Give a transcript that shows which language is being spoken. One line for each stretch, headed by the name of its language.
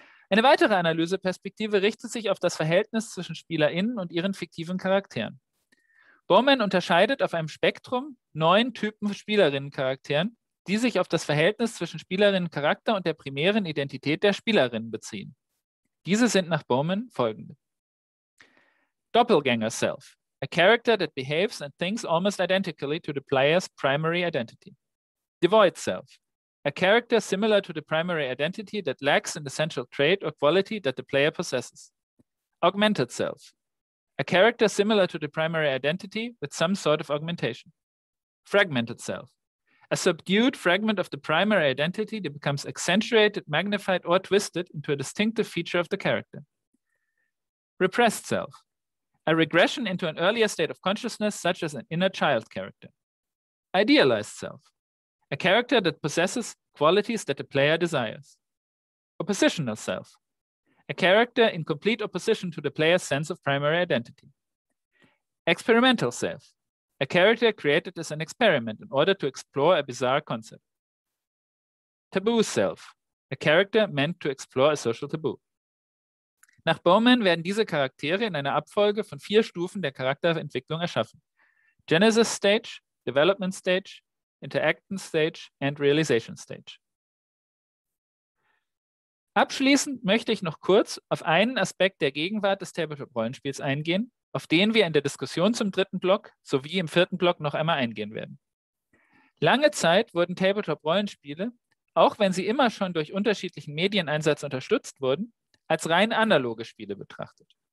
German: Eine weitere Analyseperspektive richtet sich auf das Verhältnis zwischen SpielerInnen und ihren fiktiven Charakteren. Bowman unterscheidet auf einem Spektrum neun Typen SpielerInnen-Charakteren, die sich auf das Verhältnis zwischen Spielerinnencharakter und der primären Identität der Spielerinnen beziehen. Diese sind nach Bowman folgende.
English: Doppelgänger Self, a character that behaves and thinks almost identically to the player's primary identity. Devoid Self, a character similar to the primary identity that lacks an essential trait or quality that the player possesses. Augmented Self, a character similar to the primary identity with some sort of augmentation. Fragmented Self, a subdued fragment of the primary identity that becomes accentuated, magnified, or twisted into a distinctive feature of the character. Repressed Self, a regression into an earlier state of consciousness, such as an inner child character. Idealized Self, a character that possesses qualities that the player desires. Oppositional Self, a character in complete opposition to the player's sense of primary identity. Experimental Self, a character created as an experiment in order to explore a bizarre concept. Taboo Self, a character meant to explore a social taboo.
German: Nach Bowman werden diese Charaktere in einer Abfolge von vier Stufen der Charakterentwicklung erschaffen.
English: Genesis Stage, Development Stage, Interaction Stage and Realization Stage.
German: Abschließend möchte ich noch kurz auf einen Aspekt der Gegenwart des Tabletop-Rollenspiels eingehen, auf den wir in der Diskussion zum dritten Block sowie im vierten Block noch einmal eingehen werden. Lange Zeit wurden Tabletop-Rollenspiele, auch wenn sie immer schon durch unterschiedlichen Medieneinsatz unterstützt wurden, als rein analoge Spiele betrachtet.